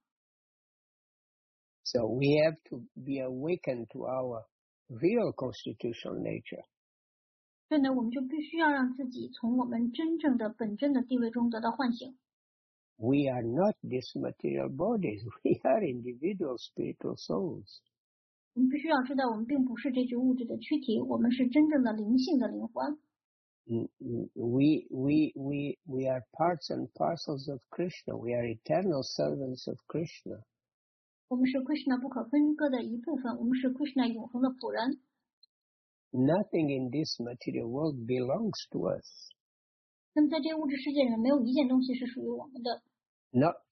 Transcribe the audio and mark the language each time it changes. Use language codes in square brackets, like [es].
[zh] 所以说呢，这就是一个梦。那我们呢是忘记了我们自己原本应该所处在的这种状态，从而使我们呢就会遇到各种各样非常可怕的情况。 [en] So we have to be awakened to our real constitutional nature. [zh] 所以呢，我们就必须要让自己从我们真正的、本真的地位中得到唤醒。 [en] We are not these material bodies. We are individual spiritual souls. [zh] 我们必须要知道，我们并不是这具物质的躯体，我们是真正的灵性的灵魂。 [en] We are parts and parcels of Krishna. We are eternal servants of Krishna. [zh] 我们是 Krishna 不可分割的一部分。我们是 Krishna 永恒的仆人。 [en] Nothing in this material world belongs to us. [zh] 那么在这物质世界里面，没有一件东西是属于我们的。 [en] Not